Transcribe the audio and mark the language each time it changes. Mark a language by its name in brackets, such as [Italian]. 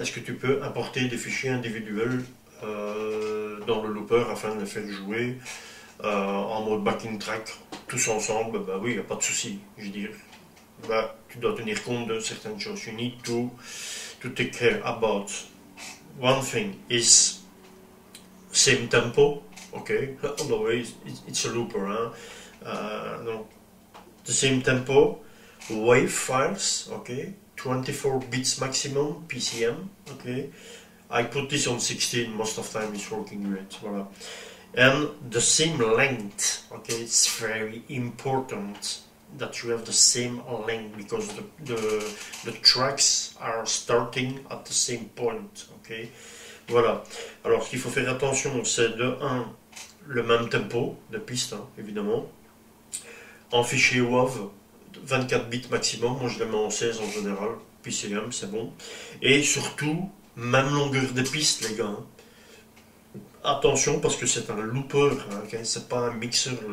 [French] Est-ce que tu peux importer des fichiers individuels dans le looper afin de les faire jouer en mode backing track tous ensemble? Bah oui, y a pas de souci. Je veux dire, bah, tu dois tenir compte de certaines choses. [English] You need to take care about one thing is same tempo, okay? Otherwise, it's a looper, hein? Donc, the same tempo, wave files, okay? 24 bits maximum PCM, okay? I put this on 16, most of the time it's working great, voilà. And the same length, okay, it's very important that you have the same length because the tracks are starting at the same point, okay. [French] Voilà. Alors, ce qu'il faut faire attention, c'est de 1, le même tempo de piste, hein, évidemment. En fichier WAV, 24 bits maximum, moi je le mets en 16 en général, PCM, c'est bon. Et surtout, même longueur de piste, les gars. Attention, parce que c'est un looper, okay? C'est pas un mixeur.